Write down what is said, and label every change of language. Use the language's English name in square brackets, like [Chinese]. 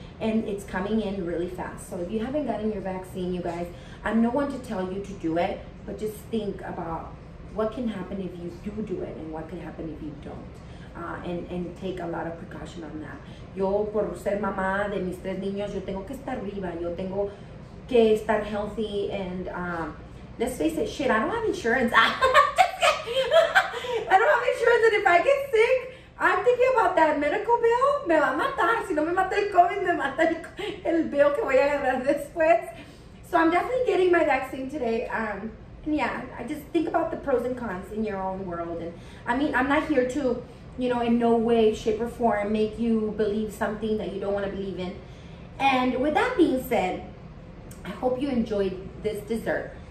[English] And it's coming in really fast. So if you haven't gotten your vaccine, you guys, I'm no one to tell you to do it, but just think about what can happen if you do do it, and what can happen if you don't. And take a lot of precaution on that. [Spanish] Yo, por ser mamá de mis tres niños, yo tengo que estar viva. Yo tengo que estar healthy. [English] And let's face it, shit, I don't have insurance. I don't have insurance, and if I get sick, I'm thinking about that medical bill. [Spanish] Me va a matar. Si no me mata el COVID, me mata el bill que voy a agarrar después. [English] So I'm definitely getting my vaccine today. And yeah, I just think about the pros and cons in your own world. And I mean, I'm not here to, you know, in no way, shape, or form, make you believe something that you don't want to believe in. And with that being said, I hope you enjoyed this dessert.